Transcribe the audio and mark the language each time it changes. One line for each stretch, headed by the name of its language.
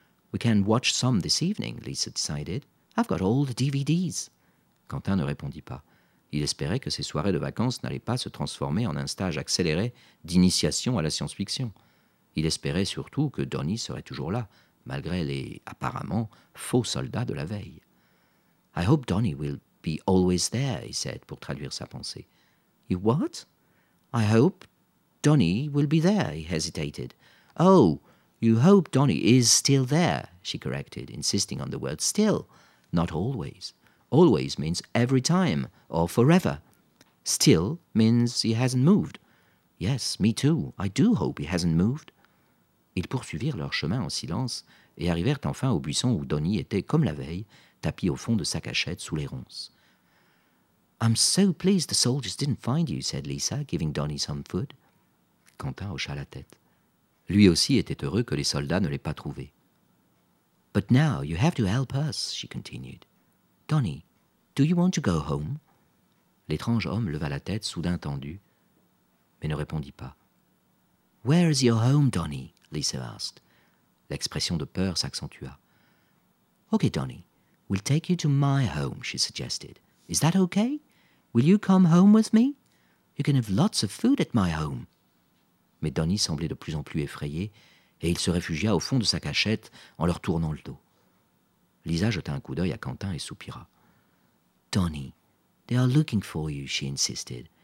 English: We can watch some this evening, Lisa decided. I've got all the DVDs.
French: Quentin ne répondit pas. Il espérait que ses soirées de vacances n'allaient pas se transformer en un stage accéléré d'initiation à la science-fiction. Il espérait surtout que Donnie serait toujours là, malgré les, apparemment, faux soldats de la veille.
English: « I hope Donnie will be always there, » he said,
French: pour traduire sa pensée.
English: « You what ?»« I hope Donnie will be there, » he hesitated. « Oh, you hope Donnie is still there, » she corrected, insisting on the word still. « Not always. always means every time or forever. Still means he hasn't moved. Yes, me too. I do hope he hasn't moved.
French: Ils poursuivirent leur chemin en silence et arrivèrent enfin au buisson où Donnie était, comme la veille, tapi au fond de sa cachette sous les ronces.
English: I'm so pleased the soldiers didn't find you, said Lisa, giving Donnie some food.
French: Quentin hocha la tête. Lui aussi était heureux que les soldats ne l'aient pas trouvé.
English: But now you have to help us, she continued. Donnie, do you want to go home?
French: L'étrange homme leva la tête, soudain tendue, mais ne répondit pas.
English: Where is your home, Donnie? Lisa asked.
French: L'expression de peur s'accentua.
English: Okay, Donnie, we'll take you to my home, she suggested. Is that okay? Will you come home with me? You can have lots of food at my home.
French: Mais Donnie semblait de plus en plus effrayé et il se réfugia au fond de sa cachette en leur tournant le dos. Lisa jeta un coup d'œil à Quentin et soupira.
English: Donnie, they are looking for you, she insisted.